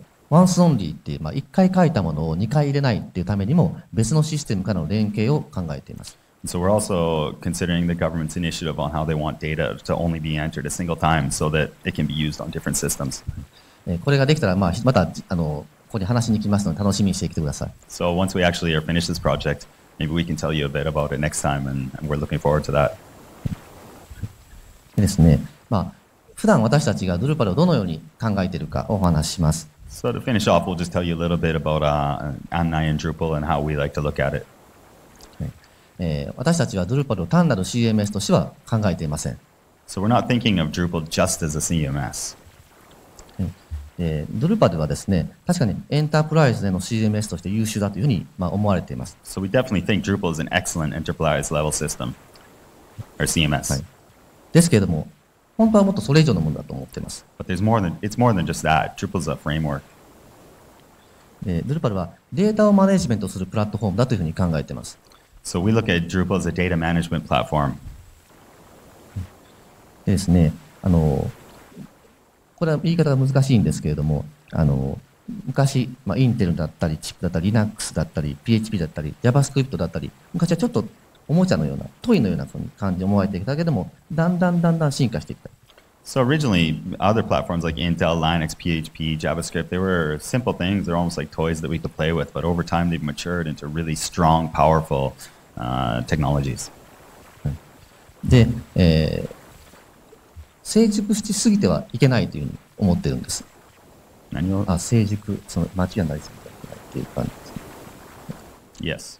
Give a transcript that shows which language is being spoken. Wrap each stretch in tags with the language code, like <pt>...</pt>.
<ja>Once only っていう、まあ、一回書いたものを二回入れないっていうためにも別のシステムからの連携を考えています。</ja> <en>So we're also considering the government's initiative on how they want data to only be entered a single time so that it can be used on different systems.</en> <ja>これができたら、まあ、またここに話しに来ますので楽しみにしてきてください。</ja> <en>So once we actually are finished this project,Maybe we can tell you a bit about it next time, and we're looking forward to that.</en> <ja>ですね。まあ、普段私たちがDrupalをどのように考えているかお話します。</ja> <en>So to finish off, we'll just tell you a little bit about Annai and Drupal and how we like to look at it.</en> <ja>私たちはDrupalを単なる CMS としては考えていません。</ja> <en>So we're not thinking of Drupal just as a CMS.</en> <ja>Drupal ではですね、確かにエンタープライズでの CMS として優秀だというふうに、まあ、思われています。</ja> <en>So we definitely think Drupal is an excellent enterprise level system, or CMS.、はい、</en> <ja>ですけれども、本当はもっとそれ以上のものだと思っています。</ja> <en>But there's more than, it's more than just that. Drupal is a framework.</en> <ja>Drupal はデータをマネジメントするプラットフォームだというふうに考えています。</ja> <en>So we look at Drupal as a data management platform.</en> <ja>でですね、これは言い方が難しいんですけれども、昔、まあ、インテルだったり、チップだったり、Linux だったり、PHP だったり、JavaScript だったり、昔はちょっとおもちゃのような、トイのような感じで思われていたけれども、だんだん進化していった。</ja> <en>So originally, other platforms like Intel, Linux, PHP, JavaScript, they were simple things, they're almost like toys that we could play with, but over time they've matured into really strong, powerful, technologies.</en> <ja>で、成熟しすぎてはいけないというふうに思っているんです。何を？あ、成熟、その間違いないですみたいなっていう感じです。</ja>